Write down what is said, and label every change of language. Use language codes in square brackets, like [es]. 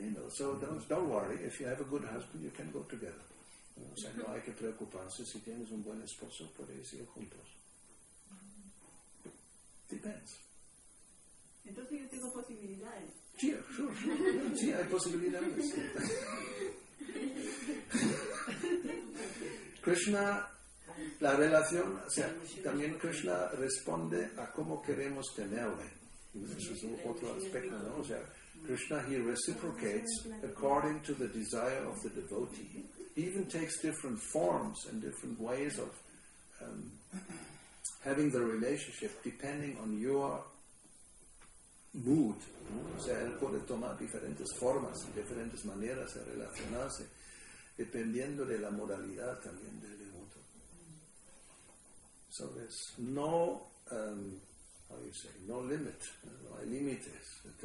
[en] So don't worry, if you have a good husband, you can go together. [es] O sea, no hay que preocuparse, si tienes un buen esposo, puedes ir juntos. [en] Depends. [es] Entonces yo tengo posibilidades. Sí, sure. Sí, hay posibilidades. Krishna, la relación, o sea, también Krishna responde a cómo queremos tenerle. Eso es otro aspecto, ¿no? O sea, [en] Krishna, he reciprocates according to the desire of the devotee. Even takes different forms and different ways of having the relationship depending on your mood. [es] O sea, él puede tomar diferentes formas y diferentes maneras de relacionarse dependiendo de la modalidad también del devoto. [en] So there's no, how you say, no limit, [es] no hay límites.